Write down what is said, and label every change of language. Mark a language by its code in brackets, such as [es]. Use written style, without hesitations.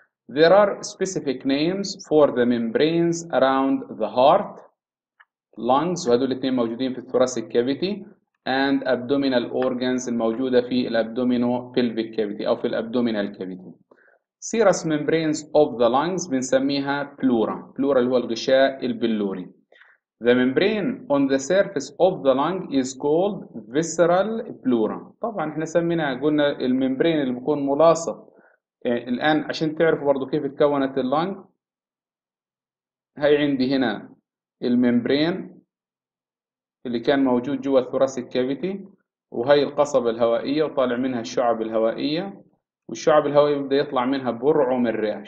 [en] There are specific names for the membranes around the heart, lungs، [ar] وهذول الاثنين موجودين في الثوراسيك كافيتي، [en] and abdominal organs الموجودة في الابدومينو pelvic cavity أو في الابدومينال cavity. Serous membranes of the lungs بنسميها pleura. [ar] pleura اللي هو الغشاء البلوري. [en] The membrane on the surface of the lung is called visceral pleura. [ar] طبعا احنا سميناها، قلنا الممبرين اللي بيكون ملاصق. الان عشان تعرفوا برضو كيف تكونت اللنج، هاي عندي هنا الممبرين اللي كان موجود جوا الثوراسيك كافيتي، وهي القصبة الهوائية وطالع منها الشعب الهوائية، والشعب الهوائية بده يطلع منها برعم الرئة.